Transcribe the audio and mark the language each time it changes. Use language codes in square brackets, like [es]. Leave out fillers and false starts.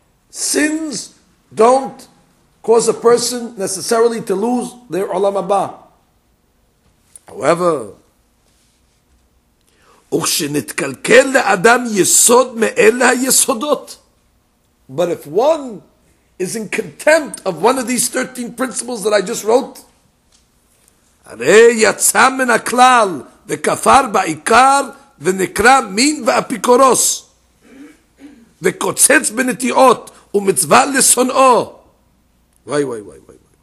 [en] Sins don't cause a person necessarily to lose their olam haba. However, [he] וכשנתקלקל לאדם יסוד מאלה היסודות. [en] But if one is in contempt of one of these 13 principles that I just wrote, [he] הרי יצא מן הכלל וכפר בעיקר ונקרא מין ואפיקורוס וקוצץ בנטיעות ומצווה לשונאו. וואי וואי [en] וואי וואי.